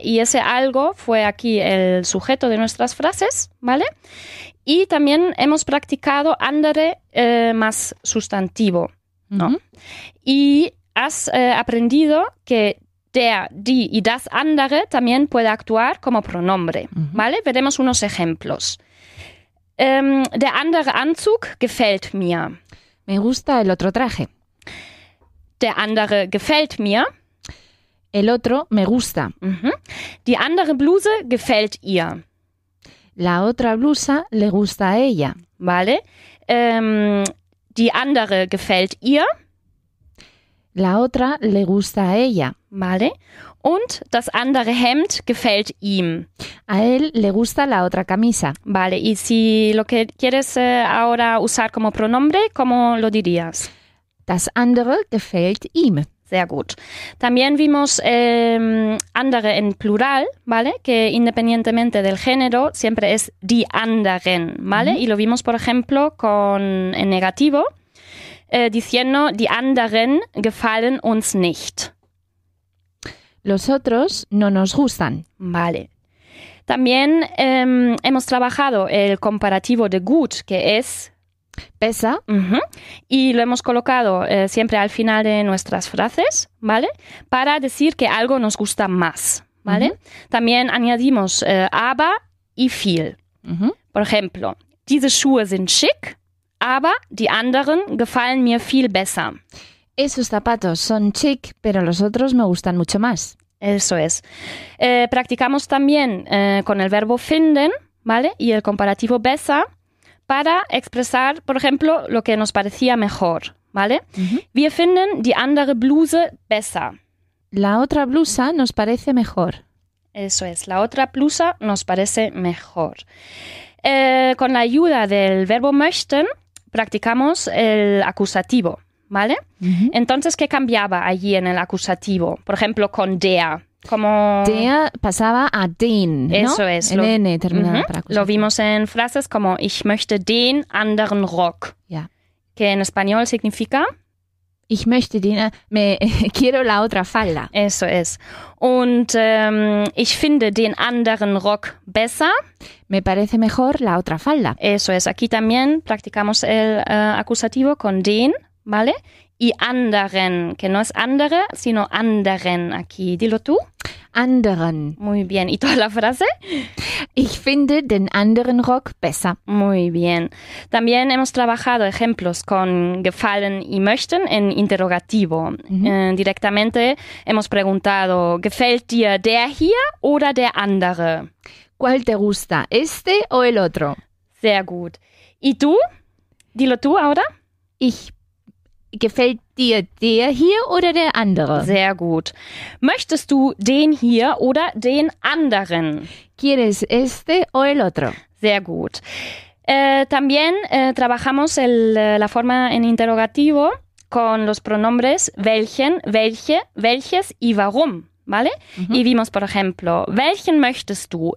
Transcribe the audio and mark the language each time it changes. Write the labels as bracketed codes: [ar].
[es] Y ese algo fue aquí el sujeto de nuestras frases, ¿vale? Y también hemos practicado andere más sustantivo, ¿no? Uh-huh. Y has aprendido que der, die y das andere también puede actuar como pronombre, uh-huh. ¿Vale? Veremos unos ejemplos. [de] Der andere Anzug gefällt mir. [es] Me gusta el otro traje. [de] Der andere gefällt mir. [es] El otro me gusta. Uh-huh. [de] Die andere Bluse gefällt ihr. [es] La otra blusa le gusta a ella. ¿Vale? [de] Die andere gefällt ihr. [es] La otra le gusta a ella. Vale. [de] Und das andere Hemd gefällt ihm. [es] A él le gusta la otra camisa. Vale. Y si lo que quieres ahora usar como pronombre, ¿cómo lo dirías? [de] Das andere gefällt ihm. Sehr gut. [es] También vimos andere en plural, ¿vale? Que independientemente del género, siempre es die anderen, ¿vale? Mm-hmm. Y lo vimos, por ejemplo, con en negativo. Diciendo, [de] die anderen gefallen uns nicht. [es] Los otros no nos gustan. Vale. También hemos trabajado el comparativo de gut, que es... [de] besser. Uh-huh. [es] Y lo hemos colocado siempre al final de nuestras frases, ¿vale? Para decir que algo nos gusta más, ¿vale? Uh-huh. También añadimos aber y viel. [de] Uh-huh. [es] Por ejemplo, [de] diese Schuhe sind schick. Aber die anderen gefallen mir viel besser. [es] Esos zapatos son chic, pero los otros me gustan mucho más. Eso es. Practicamos también con el verbo finden, ¿vale? Y el comparativo besser para expresar, por ejemplo, lo que nos parecía mejor, ¿vale? Uh-huh. [de] Wir finden die andere Bluse besser. [es] La otra blusa nos parece mejor. Eso es. La otra blusa nos parece mejor. Con la ayuda del verbo möchten, practicamos el acusativo, ¿vale? Uh-huh. Entonces, ¿qué cambiaba allí en el acusativo? Por ejemplo, con der. Como... der pasaba a den, ¿no? Eso es. El N terminaba uh-huh. para acusativo. Lo vimos en frases como, [de] ich möchte den anderen Rock. Yeah. [es] Que en español significa... [de] ich möchte den... [es] me quiero la otra falda. Eso es. [de] Und ich finde den anderen Rock besser. [es] Me parece mejor la otra falda. Eso es. Aquí también practicamos el acusativo con den, ¿vale? Y anderen, que no es andere, sino anderen aquí. Dilo tú. [de] Anderen. [es] Muy bien. ¿Y toda la frase? [de] Ich finde den anderen Rock besser. [es] Muy bien. También hemos trabajado ejemplos con gefallen y möchten en interrogativo. [de] Mm-hmm. [es] Directamente hemos preguntado, [de] ¿gefällt dir der hier oder der andere? [es] ¿Cuál te gusta, este o el otro? [de] Sehr gut. [es] ¿Y tú? Dilo tú ahora. [de] ¿Gefällt dir der hier oder der andere? Sehr gut. ¿Möchtest du den hier oder den anderen? [es] ¿Quieres este o el otro? [de] Sehr gut. [es] También trabajamos la forma en interrogativo con los pronombres welchen, welche, welches y warum, ¿vale? Uh-huh. Y vimos, por ejemplo, [de] ¿welchen möchtest du?